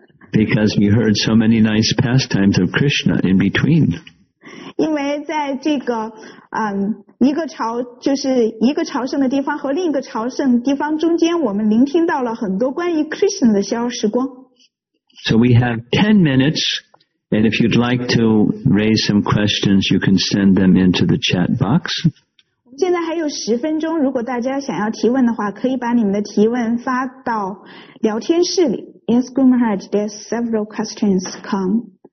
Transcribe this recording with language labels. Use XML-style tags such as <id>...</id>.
<en>Because we heard so many nice pastimes of Krishna in between.</en> <zh>因为在这个一个朝就是一个朝圣的地方和另一个朝圣地方中间，我们聆听到了很多关于 Krishna 的逍遥时光。</zh> <en>So we have 10 minutes, and if you'd like to raise some questions, you can send them into the chat box.</en> <zh>我们现在还有十分钟，如果大家想要提问的话，可以把你们的提问发到聊天室里。</zh> <en>Yes, Guru Maharaj, there are several questions come.</en>